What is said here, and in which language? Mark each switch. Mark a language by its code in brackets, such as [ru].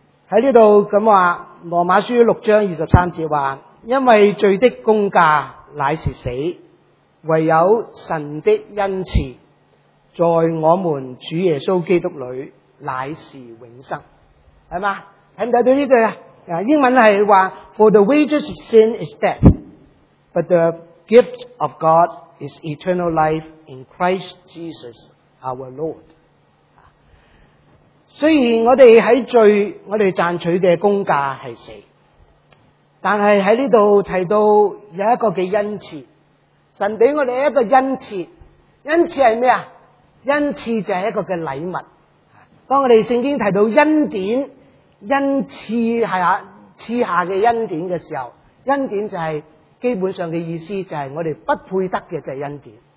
[zh] 在这里这么说，罗马书六章二十三节说，因为罪的工价乃是死，唯有神的恩赐在我们主耶稣基督里乃是永生。是吗？看到这句英文是说 [en] For the wages of sin is death, but the gift of God is eternal life in Christ Jesus our Lord. [zh] 虽然我们在罪，我们赚取的工价是死，但是在这里提到有一个恩赐，神给我们一个恩赐。恩赐是什么？恩赐就是一个礼物。当我们圣经提到恩典，恩赐是赐下的恩典的时候，恩典就是基本上的意思，就是我们不配得的，就是恩典。